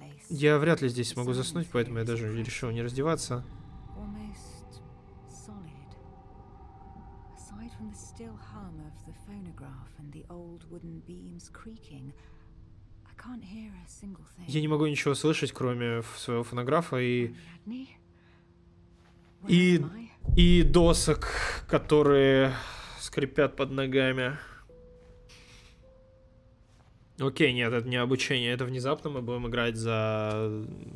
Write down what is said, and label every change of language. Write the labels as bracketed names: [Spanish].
[Russian] Я вряд ли здесь смогу заснуть, поэтому я даже решил не раздеваться. [English] Aside from the still hum of the phonograph and the old wooden beams creaking, I can't hear a single thing. [Russian] Я не могу ничего слышать, кроме своего фонографа и досок, которые скрипят под ногами. Окей, нет, это не обучение, это внезапно мы будем играть за...